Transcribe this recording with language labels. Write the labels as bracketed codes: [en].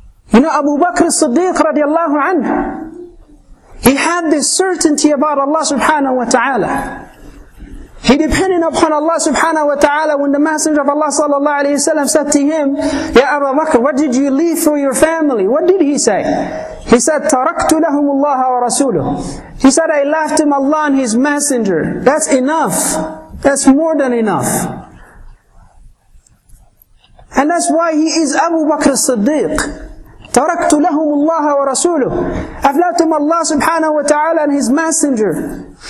[en] You know, Abu Bakr as-Siddiq radiallahu anhu, he had this certainty about Allah subhanahu wa ta'ala. He depended upon Allah subhanahu wa ta'ala when the Messenger of Allah sallallahu alayhi wa sallam said to him, Ya Abu Bakr, what did you leave for your family? What did he say? He said, [ar] تَرَكْتُ لَهُمُ اللَّهَ وَرَسُولُهُ. [en] He said, I left him Allah and His Messenger. That's enough. That's more than enough. And that's why he is Abu Bakr as-Siddiq. [ar] تَرَكْتُ لَهُمُ اللَّهَ وَرَسُولُهُ. [en] I've left him Allah subhanahu wa ta'ala and His Messenger.